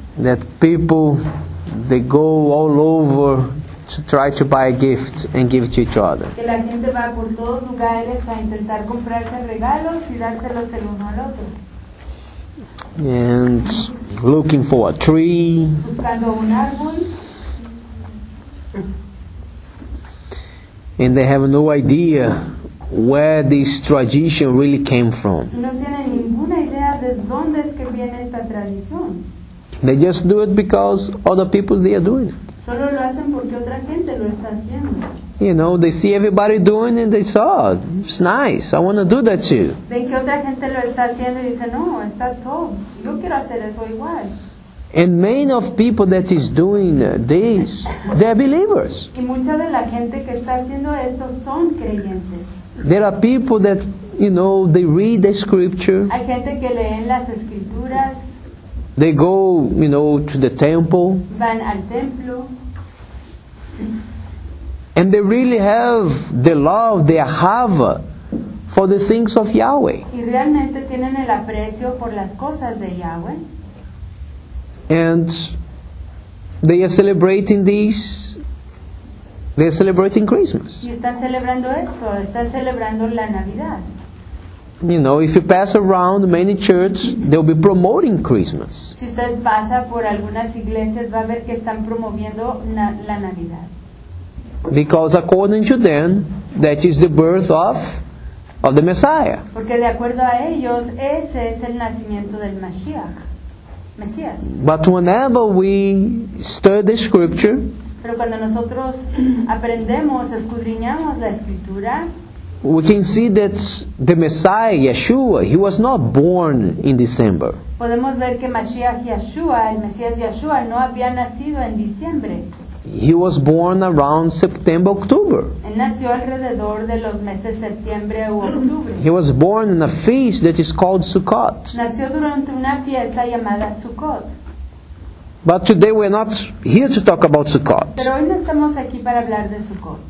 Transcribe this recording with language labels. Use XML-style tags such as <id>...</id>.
<en>That people, they go all over to try to buy a gift and give to each other.</en> <es>Que la gente va por todos lugares a intentar comprarse regalos y dárselos el uno al otro.</es> <en>And looking for a tree.</en> <es>Buscando un árbol.</es> <en>And they have no idea where this tradition really came from.</en> <es>No tienen ninguna idea de dónde es que viene esta tradición.</es> <en>They just do it because other people, they are doing it.</en> <es>Solo lo hacen porque otra gente lo está haciendo.</es> <en>You know, they see everybody doing it and they saw, oh, it's nice, I want to do that too.</en> <es>Ven que otra gente lo está haciendo y dice, no, está todo, yo quiero hacer eso igual.</es> <en>And many of people that is doing this, they are believers.</en> <es>Y mucha de la gente que está haciendo esto son creyentes.</es> <en>There are people that, you know, they read the scripture.</en> <es>Hay gente que leen las escrituras.</es> <en>They go, you know, to the temple.</en> <es>Van al templo.</es> <en>And they really have the love, the ahava, for the things of Yahweh.</en> <es>Y realmente tienen el aprecio por las cosas de Yahweh.</es> <en>And they are celebrating this. They are celebrating Christmas.</en> <es>Y están celebrando esto. Están celebrando la Navidad.</es> <en>You know, if you pass around many churches, they'll be promoting Christmas.</en> <es>Si usted pasa por algunas iglesias, va a ver que están promoviendo la Navidad.</es> <en>Because according to them, that is the birth of the Messiah.</en> <es>Porque de acuerdo a ellos, ese es el nacimiento del Mashiach, Mesías.</es> <en>But whenever we study the scripture,</en> <es>pero cuando nosotros aprendemos, escudriñamos la escritura,</es> <en>we can see that the Messiah, Yeshua, he was not born in December.</en> <es>Podemos ver que Mashiach Yeshua, el Mesías Yeshua, no había nacido en diciembre.</es> <en>He was born around September, October.</en> <es>Él nació alrededor de los meses septiembre o octubre.</es> <en>He was born in a feast that is called Sukkot.</en> <es>Nació durante una fiesta llamada Sukkot.</es> <en>But today we're not here to talk about Sukkot.</en> <es>Pero hoy no estamos aquí para hablar de Sukkot.</es>